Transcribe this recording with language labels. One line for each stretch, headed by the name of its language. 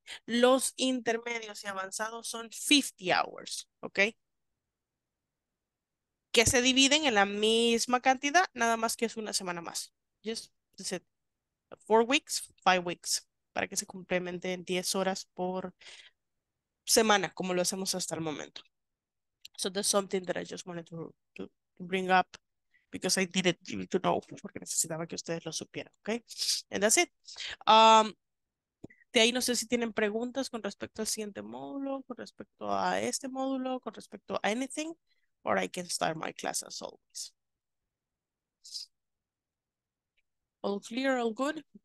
Spanish: Los intermedios y avanzados son 50 hours, ¿ok? Que se dividen en la misma cantidad, nada más que es una semana más.
English: Just 4 weeks, 5 weeks,
Spanish: para que se complementen 10 horas por semana, como lo hacemos hasta el momento.
English: So that's something that I just wanted to bring up because I didn't need to know,
Spanish: porque necesitaba que ustedes lo supieran,
English: ¿ok? And that's it.
Spanish: De ahí no sé si tienen preguntas con respecto al siguiente módulo, con respecto a este módulo, con respecto a
English: anything, or I can start my class as always. All clear, all good?